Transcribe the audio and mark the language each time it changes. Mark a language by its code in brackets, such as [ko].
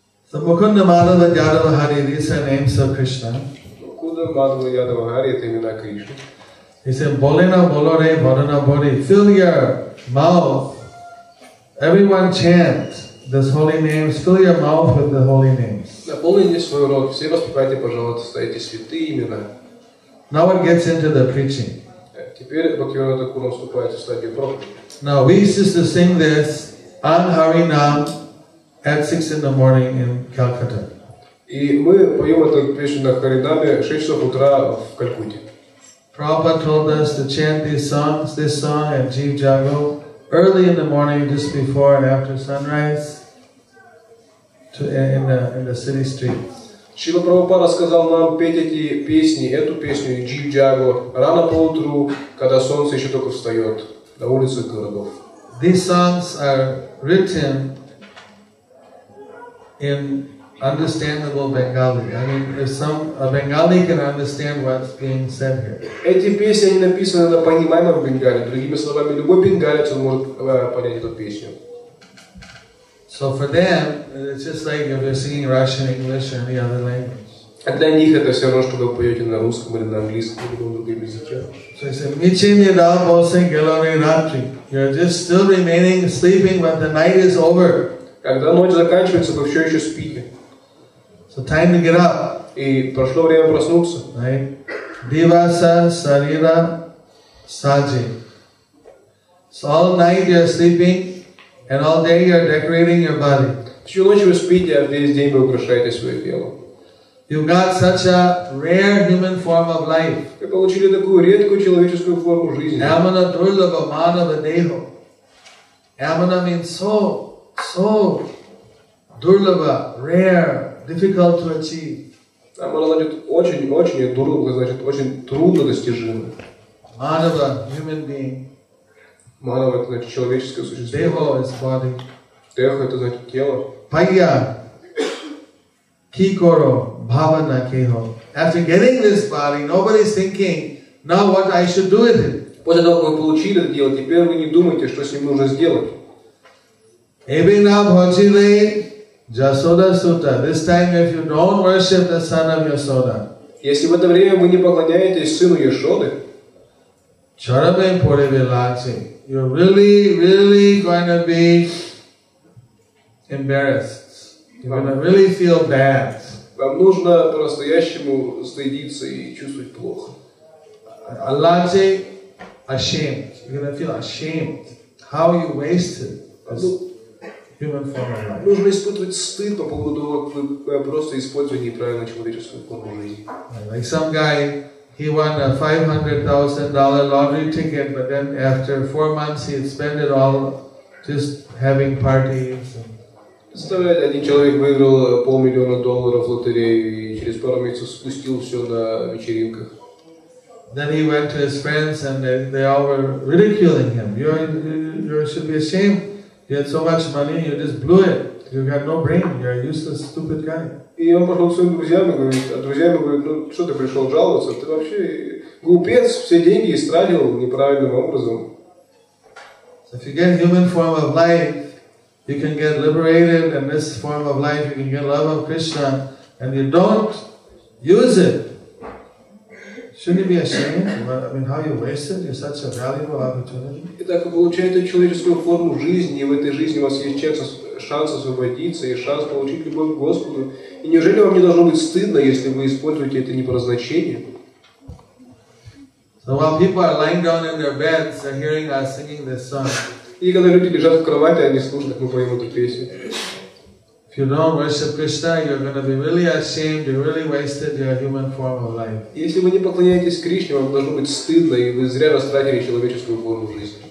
[en] So Mukunda Madhava Yadava Hari, these are names of Krishna. Mukunda Madhava Yadava Hari, the name of Krishna. He said, [bn] Bolena Bolore Bharana Bodhi, [en] fill your mouth. Everyone chant this holy name, fill your mouth with the holy names. [ru] Наполните свой рот, все воспевайте, пожалуйста, эти святые имена. [en] Now it gets into the preaching. [ru] Теперь Бхактивинода Такура вступает в стадию проповеди. [en] Now we used to sing this on Harinam at 6 in the morning in Calcutta. [ru] И мы поем эту песню на Харинаме в 6 часов утра в Калькутте. [en] Prabhupada told us to chant these songs, this song at Jeev Jago, early in the morning, just before and after sunrise. In the city streets. [ru] Шрила Прабхупада сказал нам петь эти песни, эту песню Джив Джаго рано поутру, когда солнце еще только встает на улицах городов. [en] These songs are written in understandable Bengali. I mean, if a Bengali can understand what's being said here. [ru] Эти песни они написаны на понимаемом бенгали. Другими словами, любой бенгалец может понять эту песню. [en] So for them, it's just like if they're singing Russian, English, or any other language. [ru] Для них это все равно, что вы поете на русском или на английском, или на другом языке. [en] So he said, [bn] Мичини дал босен гелори натри. [en] You're just still remaining sleeping, but the night is over. [ru] Когда ночь заканчивается, вы все еще спите. [en] So time to get up. [ru] И прошло время проснуться. [bn] Right? Диваса сарира саджи. [en] So all night you're sleeping. And all day you're decorating your body. [ru] Всю ночь вы спите, а весь день вы украшаете свое тело. [en] You've got such a rare human form of life. [ru] Вы получили такую редкую человеческую форму жизни. [bn] Амана дурлаба манава дейхо. [en] Амана means so дурлаба, rare, difficult to achieve. [ru] Амана значит очень-очень, дурлаба значит очень трудно достижимо. [en] Манава, human being. [ru] Манава это значит человеческое существо. [en] Дехо is body. [ru] Дехо это значит тело. [bn] Пайя. Кикоро. Бхавана кехо. [en] After getting this body, nobody's thinking, now what I should do with it. [ru] После того, как вы получили это тело, теперь вы не думаете, что с ним нужно сделать. [bn] Эбина бхачиле Ясода сута. [en] This time if you don't worship the son of Ясода. [ru] Если в это время вы не поклоняетесь сыну Ясоды. [bn] Чарабэм поревелачи. [en] You're really, really going to be embarrassed. You're going to really feel bad. [ru] Вам нужно по-настоящему стыдиться и чувствовать плохо. [en] Alati, ashamed. You're going to feel ashamed. How you wasted this human form of life. [ru] Нужно испытывать стыд по поводу того, как вы просто использовали неправильно человеческую форму жизни. [en] Like some guy. He won a $500,000 lottery ticket, but then after 4 months he had spent it all just having parties. [ru] Представляете, один человек выиграл полмиллиона долларов в лотерею и через пару месяцев спустил все на вечеринках. [en] Then he went to his friends and they all were ridiculing him. You should be ashamed. You had so much money, you just blew it. You got no brain. You're a useless, stupid guy. [ru] И он пошел к своим друзьям и говорит, а друзьям говорит, ну что ты пришел жаловаться, ты вообще глупец, все деньги истратил неправильным образом. [en] So if you get human form of life, you can get liberated, and this form of life you can get love of Krishna, and you don't use it. Shouldn't you be ashamed? I mean, how you wasted? You're such a valuable opportunity. [ru] Итак, вы получаете человеческую форму жизни, и в этой жизни у вас есть шанс освободиться и шанс получить любовь к Господу. И неужели вам не должно быть стыдно, если вы используете это не по назначению? [en] So while people are lying down in their beds, they're hearing us singing this song. [ru] И когда люди лежат в кровати, они слушают, как мы поем эту песню. [en] If you don't worship Krishna, you're going to be really ashamed, you really wasted your human form of life. [ru] Если вы не поклоняетесь Кришне, вам должно быть стыдно, и вы зря растратили человеческую форму жизни.